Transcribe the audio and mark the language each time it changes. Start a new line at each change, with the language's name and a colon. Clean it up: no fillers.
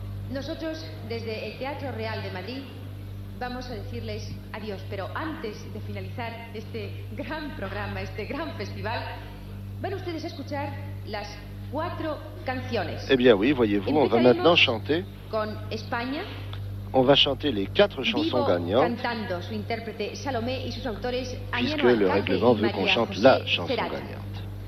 Spanish: Nosotros, desde el Teatro Real de Madrid, vamos a decirles adiós, pero antes de finalizar este gran programa, este gran festival, van ustedes a escuchar las cuatro canciones.
French: Eh bien oui, voyez-vous, on va maintenant chanter.
Spanish: Con España.
French: On va chanter les quatre chansons gagnantes.
Spanish: Vivo cantando su intérprete Salomé y sus autores.
French: Puisque le règlement veut qu'on chante la chanson gagnante.